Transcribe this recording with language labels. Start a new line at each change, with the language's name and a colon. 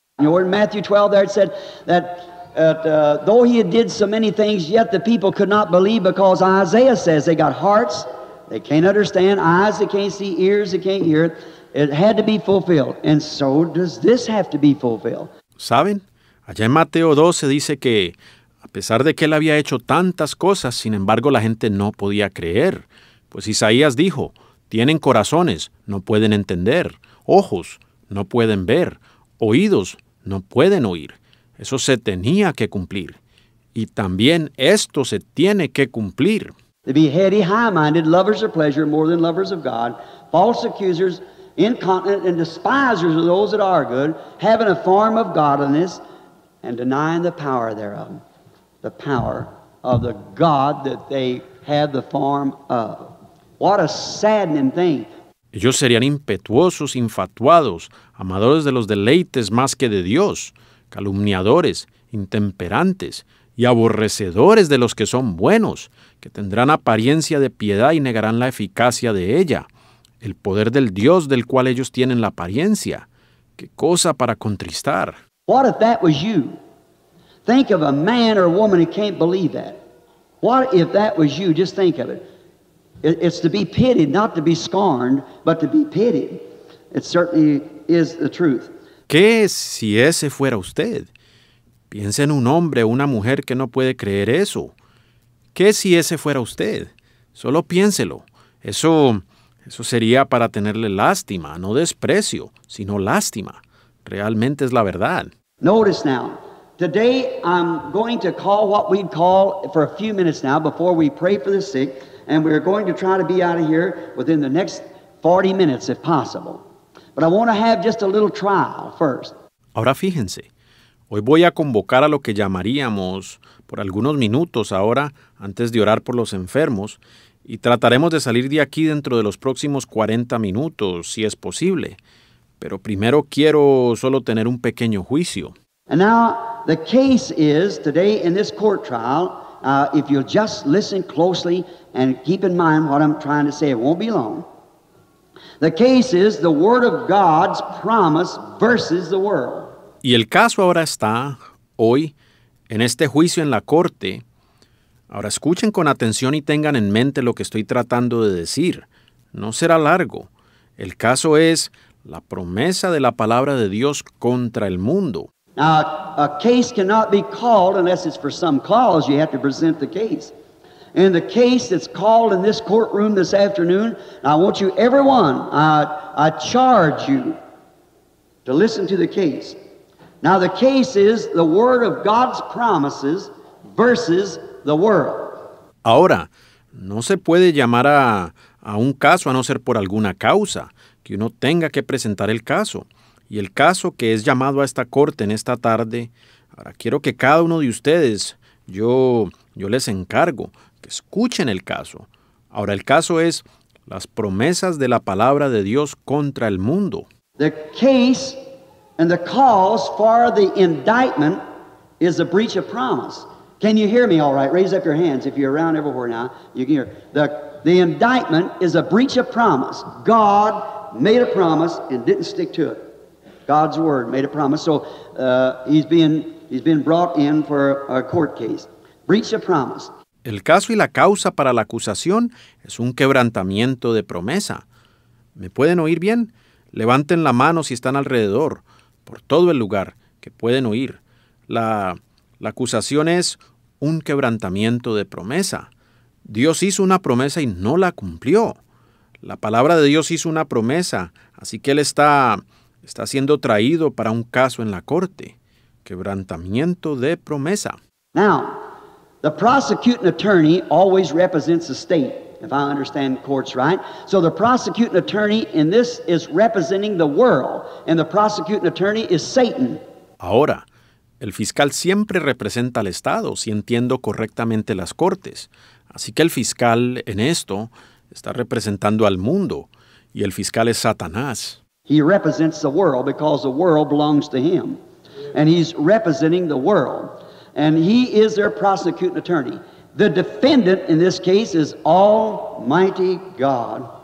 English: You know, in Matthew 12 there it said that, though he did so many things, yet the people could not believe because Isaiah says they got hearts, they can't understand, eyes they can't see, ears they can't hear. It had to be fulfilled, and so does this have to be fulfilled.
Spanish: ¿Saben? Allá en Mateo 12 dice que, a pesar de que él había hecho tantas cosas, sin embargo, la gente no podía creer. Pues Isaías dijo, tienen corazones, no pueden entender, ojos, no pueden ver, oídos, no pueden oír. Eso se tenía que cumplir. Y también esto se tiene que cumplir.
English: To be heady, high-minded, lovers of pleasure, more than lovers of God, false accusers, incontinent and despisers of those that are good, having a form of godliness and denying the power thereof, the power of the God that they have the form of. What a saddening thing.
Spanish: Ellos serían impetuosos, infatuados, amadores de los deleites más que de Dios, calumniadores, intemperantes y aborrecedores de los que son buenos, que tendrán apariencia de piedad y negarán la eficacia de ella. El poder del Dios del cual ellos tienen la apariencia. ¡Qué cosa para contristar!
English: What if that was you? Think of a man or a woman who can't believe that. What if that was you? Just think of it. It's to be pitied, not to be scorned, but to be pitied. It certainly is the truth.
Spanish: ¿Qué si ese fuera usted? Piense en un hombre o una mujer que no puede creer eso. ¿Qué si ese fuera usted? Solo piénselo. Eso sería para tenerle lástima, no desprecio, sino lástima. Realmente es la verdad.
English: Notice now. Today I'm going to call what we'd call for a few minutes now before we pray for the sick, and we're going to try to be out of here within the next 40 minutes if possible. But I want to have just a little trial first.
Spanish: Ahora fíjense. Hoy voy a convocar a lo que llamaríamos por algunos minutos ahora antes de orar por los enfermos. Y trataremos de salir de aquí dentro de los próximos 40 minutos, si es posible. Pero primero quiero solo tener un pequeño juicio.
English: And now, the case is, today in this court trial, if you'll just listen closely and keep in mind what I'm trying to say, it won't be long. The case is the Word of God's promise versus the world.
Spanish: Y el caso ahora está, hoy, en este juicio en la corte. Ahora escuchen con atención y tengan en mente lo que estoy tratando de decir. No será largo. El caso es la promesa de la palabra de Dios contra el mundo.
English: Now, a case cannot be called unless it's for some cause. You have to present the case. And the case that's called in this courtroom this afternoon, I want you, everyone, I charge you to listen to the case. Now, the case is the word of God's promises versus the world.
Spanish: Ahora, no se puede llamar a un caso a no ser por alguna causa, que uno tenga que presentar el caso. Y el caso que es llamado a esta corte en esta tarde, ahora quiero que cada uno de ustedes, yo les encargo, que escuchen el caso. Ahora, el caso es las promesas de la palabra de Dios contra el mundo.
English: The case and the cause for the indictment is a breach of promise. Can you hear me all right? Raise up your hands if you're around everywhere now. You can hear. The indictment is a breach of promise. God made a promise and didn't stick to it. God's word made a promise. So he's been brought in for a court case. Breach of promise.
Spanish: El caso y la causa para la acusación es un quebrantamiento de promesa. ¿Me pueden oír bien? Levanten la mano si están alrededor, por todo el lugar, que pueden oír. La acusación es un quebrantamiento de promesa. Dios hizo una promesa y no la cumplió. La palabra de Dios hizo una promesa, así que Él está siendo traído para un caso en la corte. Quebrantamiento de promesa.
English: Now, the prosecuting attorney always represents the state, if I understand courts right. So the prosecuting attorney in this is representing the world, and the prosecuting attorney is Satan.
Spanish: Ahora, el fiscal siempre representa al Estado, si entiendo correctamente las cortes. Así que el fiscal en esto está representando al mundo, y el fiscal es Satanás.
English: He represents the world because the world belongs to him, and he's representing the world. And he is their prosecuting attorney. The defendant in this case is Almighty God.